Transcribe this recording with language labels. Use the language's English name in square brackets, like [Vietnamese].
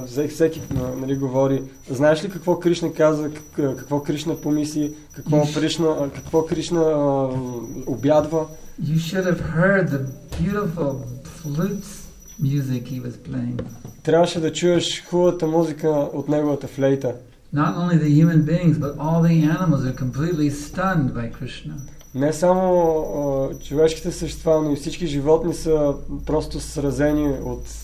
[Bulgarian] Всеки говори, знаеш ли какво Кришна каза, какво Кришна помисли, какво Кришна обядва? [English] You should have heard the beautiful flute music he was playing. [Bulgarian] Трябваше да чуеш хубавата музика от неговата флейта. [English] Not only the human beings, but all the animals are completely stunned by Krishna. [Bulgarian] Не само човешките същества, но и всички животни са просто сразени от